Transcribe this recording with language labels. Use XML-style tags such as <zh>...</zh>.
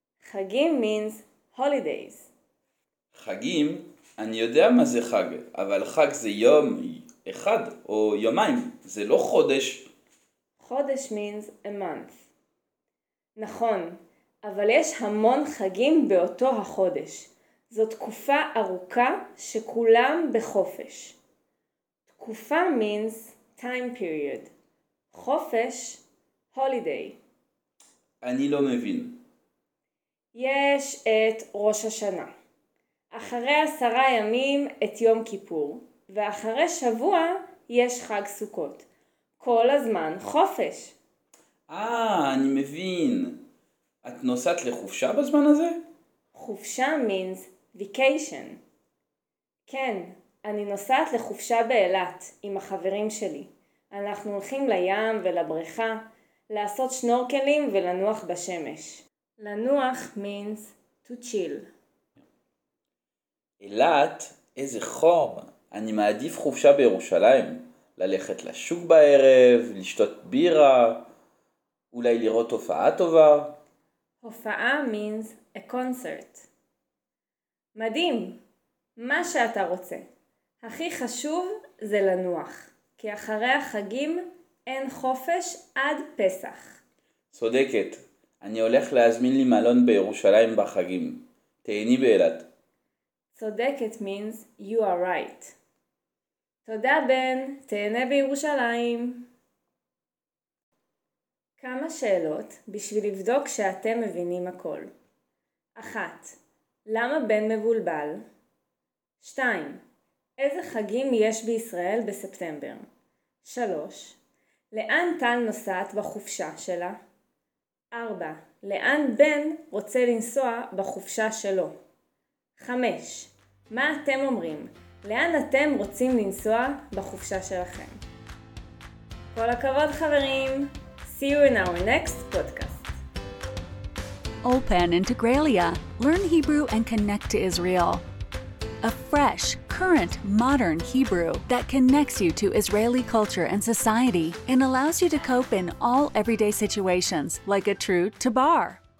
<he>חגים</he> <en>means holidays.</en> <he>חגים? אני יודע מה זה חג, אבל חג זה יום אחד או יומיים. זה לא חודש. חודש</he> <en>means a month.</en> <he>נכון, אבל יש המון חגים באותו החודש. זו תקופה ארוכה שכולם בחופש. תקופה</he> <en>means time period.</en> <he>חופש,</he> <en>holiday.</en> <he>אני לא מבין. יש את ראש השנה. אחרי 10 ימים את יום כיפור, ואחרי שבוע יש חג סוכות. כל הזמן חופש. אני מבין. את נוסעת לחופשה בזמן הזה? חופשה</he> <en>means vacation.</en> <he>כן, אני נוסעת לחופשה באילת עם החברים שלי. אנחנו הולכים לים ולבריכה, לעשות שנורקלים ולנוח בשמש. לנוח</he> <en>means to chill.</en> <he>אילת, איזה חום. אני מעדיף חופשה בירושלים. ללכת לשוק בערב, לשתות בירה, אולי לראות הופעה טובה. הופעה</he> <en>means a concert.</en> <he>מדהים. מה שאתה רוצה. הכי חשוב זה לנוח. כי אחרי החגים אין חופש עד פסח. צודקת. אני הולך להזמין לי מלון בירושלים בחגים. תהני באילת. צודקת</he> <en>means you are right.</en> <he>תודה בן, תהנה בירושלים. כמה שאלות בשביל לבדוק שאתם מבינים הכל. 1. למה בן מבולבל? 2. איזה חגים יש בישראל בספטמבר? 3. לאן טל נוסעת בחופשה שלה? 4. לאן בן רוצה לנסוע בחופשה שלו? 5. מה אתם אומרים? לאן אתם רוצים לנסוע בחופשה שלכם? כל הכבוד חברים!</he> <en>See you in our next podcast. Ulpan Integraliah. Learn Hebrew and connect to Israel. A fresh, current, modern Hebrew that connects you to Israeli culture and society and allows you to cope in all everyday situations like a true tabar.</en>